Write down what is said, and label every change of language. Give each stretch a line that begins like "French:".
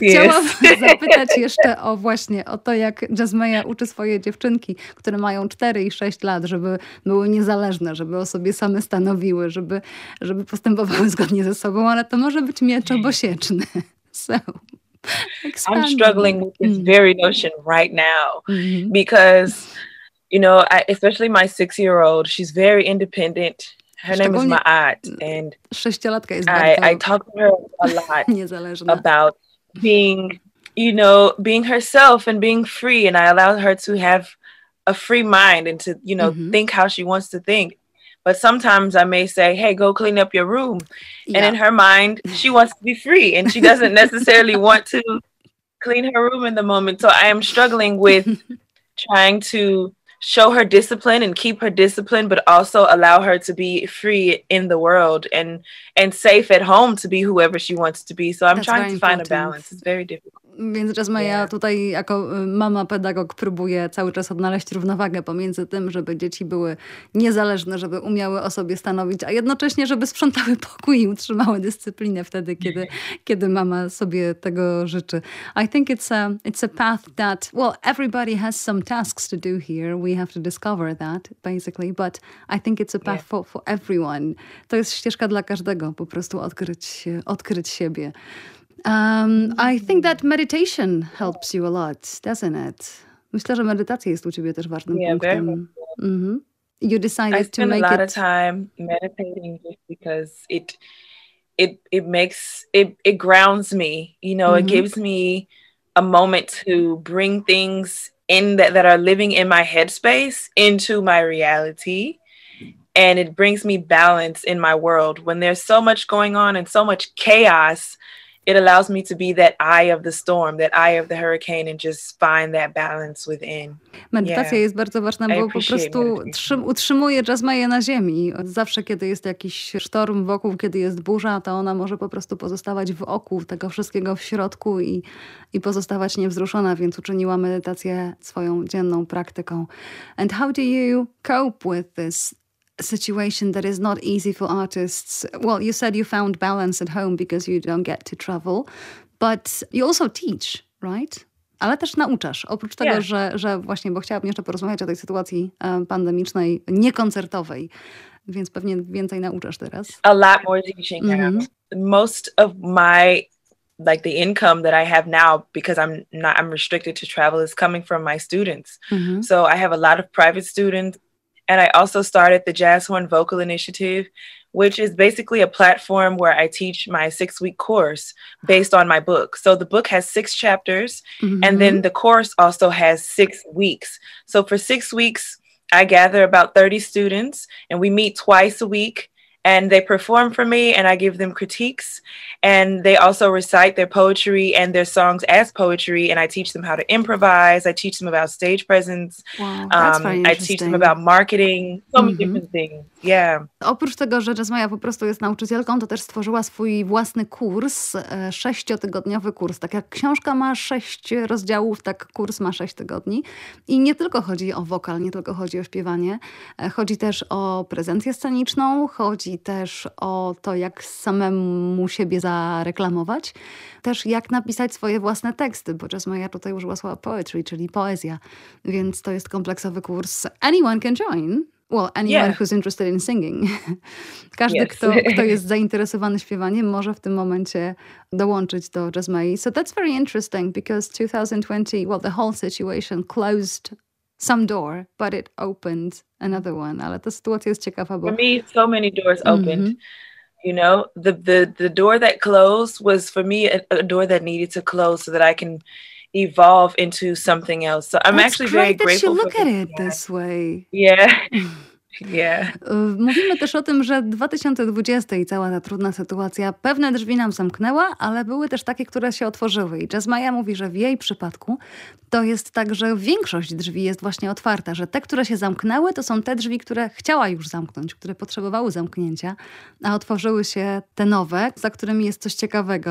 Polish: Chciałam zapytać jeszcze o właśnie o to, jak Jazzmeja uczy swoje dziewczynki, które mają 4 i 6 lat, żeby były niezależne, żeby o sobie same stanowiły, żeby postępowały zgodnie ze sobą, ale to może być miecz obosieczny.
English: So, I'm struggling with this very notion right now, mm-hmm. because, you know, especially my 6-year-old, she's very independent. Her name is Ma'at, and I talk to her a lot about being, you know, being herself and being free, and I allow her to have a free mind and to, you know, mm-hmm. think how she wants to think. But sometimes I may say, hey, go clean up your room. Yeah. And in her mind, she wants to be free, and she doesn't necessarily want to clean her room in the moment. So I am struggling with trying to show her discipline and keep her discipline, but also allow her to be free in the world and safe at home to be whoever she wants to be. So I'm That's trying to find a balance. It's very difficult.
Polish: Więc Jazzmeja tutaj jako mama pedagog próbuje cały czas odnaleźć równowagę pomiędzy tym, żeby dzieci były niezależne, żeby umiały o sobie stanowić, a jednocześnie, żeby sprzątały pokój i utrzymały dyscyplinę wtedy, kiedy mama sobie tego życzy.
English: I think it's a path that, well, everybody has some tasks to do here. We have to discover that, basically, but I think it's a path for everyone.
Polish: To jest ścieżka dla każdego, po prostu odkryć siebie.
English: I think that meditation helps you a lot, doesn't it?
Polish: Myślę, że medytacja jest u ciebie też ważnym punktem.
English: Very much. Mm-hmm. You decided to make it. I spend a lot of time meditating just because it grounds me. You know, mm-hmm. it gives me a moment to bring things in that are living in my headspace into my reality. And it brings me balance in my world when there's so much going on and so much chaos. it allows me to be that eye of the storm, that eye of the hurricane, and just find that balance within.
Polish: Medytacja jest bardzo ważna, bo po prostu utrzymuje Jasmine na ziemi. Zawsze, kiedy jest jakiś sztorm wokół, kiedy jest burza, to ona może po prostu pozostawać w oku tego wszystkiego w środku i pozostawać niewzruszona, więc uczyniła medytację swoją dzienną praktyką.
English: And how do you cope with this situation that is not easy for artists? Well, you said you found balance at home because you don't get to travel, but you also teach, right?
Polish: Ale też nauczasz, oprócz tego, że właśnie, bo chciałabym jeszcze porozmawiać o tej sytuacji pandemicznej, niekoncertowej, więc pewnie więcej nauczasz teraz.
English: A lot more teaching. Mm-hmm. Most of my, like the income that I have now, because I'm restricted to travel, is coming from my students. Mm-hmm. So I have a lot of private students. And I also started the Jazz Horn Vocal Initiative, which is basically a platform where I teach my 6-week course based on my book. So the book has 6 chapters, mm-hmm. and then the course also has 6 weeks. So for 6 weeks, I gather about 30 students and we meet twice a week and they perform for me and I give them critiques and they also recite their poetry and their songs as poetry and I teach them how to improvise. I teach them about stage presence. Wow, that's very interesting. I teach them about marketing, so many different things. Yeah.
Polish: Oprócz tego, że Jasmine po prostu jest nauczycielką, to też stworzyła swój własny kurs, 6-tygodniowy kurs. Tak jak książka ma 6 rozdziałów, tak kurs ma 6 tygodni. I nie tylko chodzi o wokal, nie tylko chodzi o śpiewanie. Chodzi też o prezencję sceniczną, chodzi też o to, jak samemu siebie zareklamować. Też jak napisać swoje własne teksty, bo Jasmine tutaj użyła słowa poetry, czyli poezja. Więc to jest kompleksowy kurs.
English: Anyone can join. Well, anyone who's interested in singing.
Polish: Każdy, kto jest zainteresowany śpiewaniem, może w tym momencie dołączyć do Jasmine.
English: So that's very interesting because 2020, well, the whole situation closed some door, but it opened another one.
Polish: Ale ta sytuacja jest ciekawa, bo...
English: For me, so many doors opened. Mm-hmm. You know, the door that closed was for me a door that needed to close so that I can evolve into something else. So I'm actually very grateful. It's great that you look at it this way. Yeah. Yeah.
Polish: Mówimy też o tym, że 2020 i cała ta trudna sytuacja pewne drzwi nam zamknęła, ale były też takie, które się otworzyły. I Jasmine mówi, że w jej przypadku to jest tak, że większość drzwi jest właśnie otwarta, że te, które się zamknęły, to są te drzwi, które chciała już zamknąć, które potrzebowały zamknięcia, a otworzyły się te nowe, za którymi jest coś ciekawego.